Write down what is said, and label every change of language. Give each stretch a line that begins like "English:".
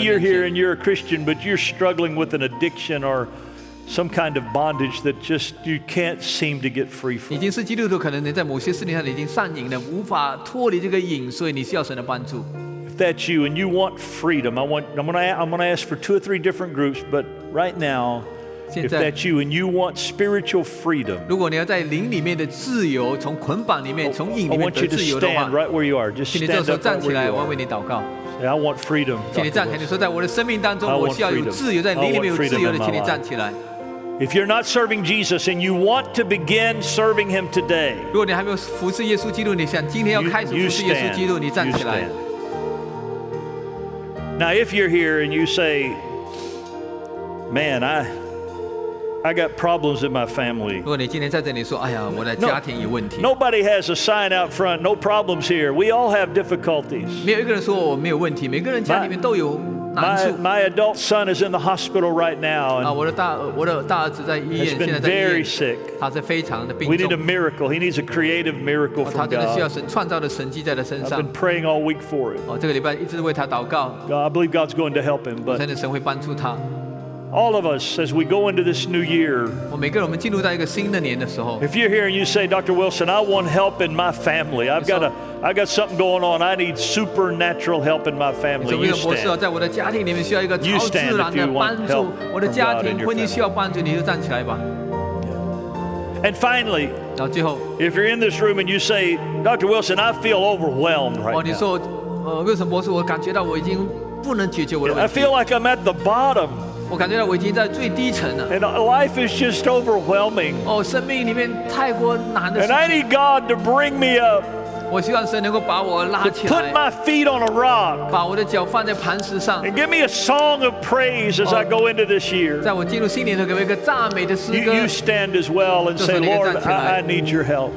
English: Or maybe you're here and you're a Christian, but you're struggling with an addiction or some kind of bondage that just you can't seem to get free from.
Chinese: 已经是基督徒，可能你在某些事情上已经上瘾了，无法脱离这个瘾，所以你需要神的帮助。
English: If that's you and you want freedom, I'm going to ask for two or three different groups, but right now, if that's you and you want spiritual freedom,
Chinese: 如果你要在灵里面的自由，从捆绑里面，从瘾里面得自由的话，
English: I want you to stand right where you are. Just stand up right where you are.
Chinese: 请你这时候站起来，我为你祷告。
English: Say, I want freedom.
Chinese: 请你站起来，你说在我的生命当中，我需要有自由，在灵里面有自由的，请你站起来。
English: If you're not serving Jesus and you want to begin serving Him today,
Chinese: 如果你还没有服侍耶稣基督，你想今天要开始服侍耶稣基督，你站起来。
English: Now, if you're here and you say, "Man, I got problems in my family."
Chinese: 如果你今天在这里说，哎呀，我的家庭有问题。
English: Nobody has a sign out front. No problems here. We all have difficulties.
Chinese: 没有一个人说我没有问题。每个人家里面都有。
English: My adult son is in the hospital right now. He's been very sick. We need a miracle. He needs a creative miracle from God.
Chinese: 他真的需要神创造的神迹在他身上。
English: I've been praying all week for it.
Chinese: 这个礼拜一直为他祷告。
English: I believe God's going to help him.
Chinese: 真的神会帮助他。
English: All of us, as we go into this new year,
Chinese: 每个人我们进入到一个新的年的时候。
English: If you're here and you say, Dr. Wilson, I want help in my family. I've got something going on. I need supernatural help in my family. You stand. You stand if you want help from God in your family.
Chinese: 需要帮助，你就站起来吧。
English: And finally,
Chinese: 到最后，
English: if you're in this room and you say, Dr. Wilson, I feel overwhelmed right now.
Chinese: 你说，威尔森博士，我感觉到我已经不能解决我的问题。
English: I feel like I'm at the bottom.
Chinese: 我感觉到我已经在最低层了。
English: And life is just overwhelming.
Chinese: 生命里面太过难的事情。
English: And I need God to bring me up.
Chinese: 我希望神能够把我拉起来
English: put my feet on a rock,
Chinese: 把我的脚放在磐石上
English: and give me a song of praise as I go into this year.
Chinese: 在我进入新年的时候给我一个赞美的诗歌
English: you stand as well and say, Lord, I need your help.